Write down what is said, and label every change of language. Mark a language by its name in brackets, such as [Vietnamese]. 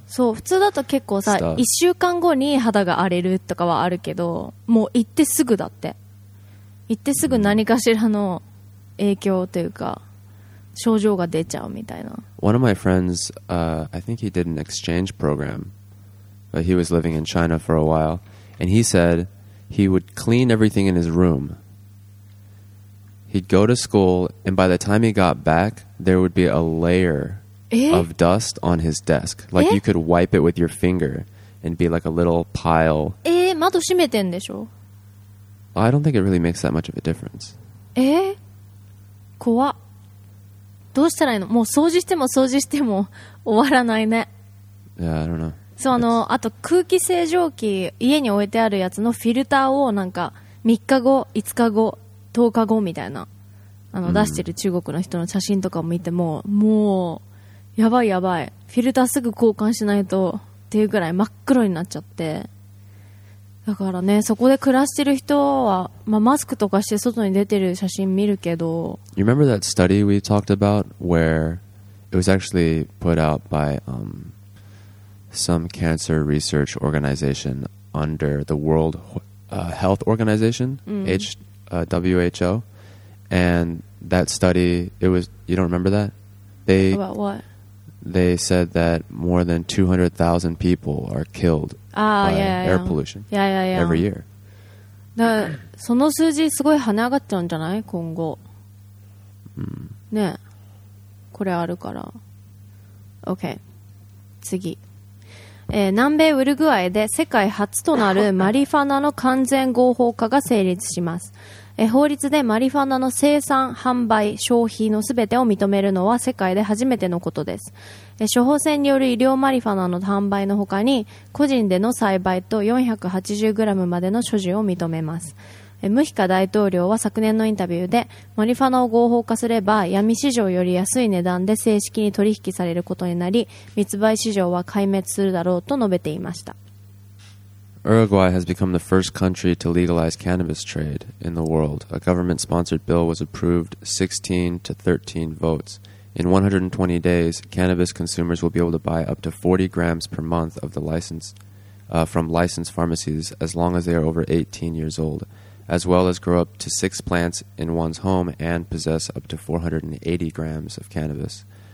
[Japanese] そう、普通だと結構さ、1週間後に肌が荒れるとかはあるけど、もう行ってすぐだって。行ってすぐ何かしらの影響というか、症状が出ちゃうみたいな。 [English] One of my friends, I think he did an exchange program. But he was living in China for a while. And he said he would clean everything in his room. He'd go to school, and by the time he got back, there would be a layer of dust on his desk. Like you could wipe it with your finger and be like a little pile. [Japanese] 窓閉めてんでしょ? [English] I don't think it really makes that much of a difference. [Japanese] 怖っ。どうしたらいいの? もう掃除しても掃除しても終わらないね。 [English] Yeah, I don't know. [Japanese] そう、あと空気清浄機、家に置いてあるやつのフィルターをなんか3日後、5日後、10日後みたいな、出してる中国の人の写真とかを見ても、もう、やばいやばい。フィルターすぐ交換しないとっていうぐらい真っ黒になっちゃって。だからね、そこで暮らしてる人は、まあ、マスクとかして外に出てる写真見るけど。 [English] You remember that study we talked about where it was actually put out by, some cancer research organization under the World Health Organization, WHO. And that study, it was, you don't remember that? About what? They said that more than 200,000 people are killed by air pollution every year. [Japanese] だからその数字すごい跳ね上がっちゃうんじゃない? 今後。ねえ。これあるから。OK。 次。南米ウルグアイで世界初となるマリファナの完全合法化が成立します。法律でマリファナの生産、販売、消費のすべてを認めるのは世界で初めてのことです。処方箋による医療マリファナの販売のほかに、個人での栽培と 480g までの所持を認めます。ムヒカ大統領は昨年のインタビューで、マリファナを合法化すれば、闇市場より安い値段で正式に取引されることになり、密売市場は壊滅するだろうと述べていました。 [English] Uruguay has become the first country to legalize cannabis trade in the world. A government-sponsored bill was approved 16 to 13 votes. In 120 days, cannabis consumers will be able to buy up to 40 grams per month of the license, from licensed pharmacies as long as they are over 18 years old, as well as grow up to 6 plants in one's home and possess up to 480 grams of cannabis.